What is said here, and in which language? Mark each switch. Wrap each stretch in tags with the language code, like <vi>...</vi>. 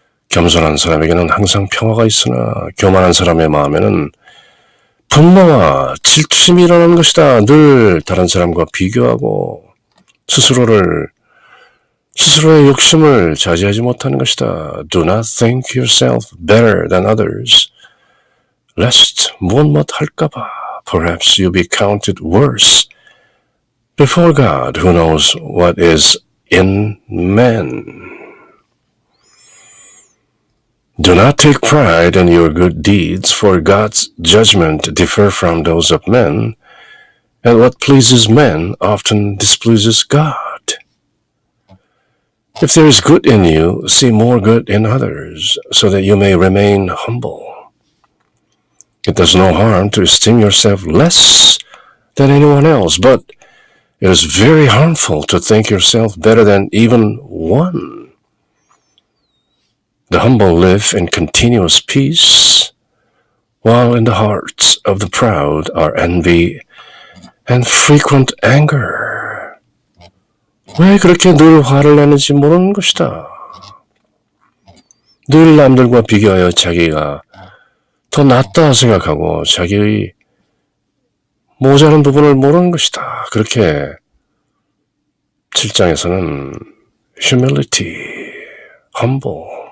<ko>겸손한 사람에게는 항상 평화가 있으나 교만한 사람의 마음에는 분노와 질투심이 일어나는 것이다. 늘 다른 사람과 비교하고 스스로의 욕심을 자제하지 못하는 것이다.</ko> <en>Do not think yourself better than others, lest</en> <ko>무엇 할까봐</ko> <en>perhaps you be counted worse before God, who knows what is in man. Do not take pride in your good deeds, for God's judgment differ from those of men, and what pleases men often displeases God. If there is good in you, see more good in others, so that you may remain humble. It does no harm to esteem yourself less than anyone else, but it is very harmful to think yourself better than even one. The humble live in continuous peace, while in the hearts of the proud are envy and frequent anger.</en> <ko>왜 그렇게 늘 화를 내는지 모르는 것이다. 늘 남들과 비교하여 자기가 더 낫다 생각하고 자기의 모자란 부분을 모르는 것이다. 그렇게 7장에서는 humility, humble.</ko>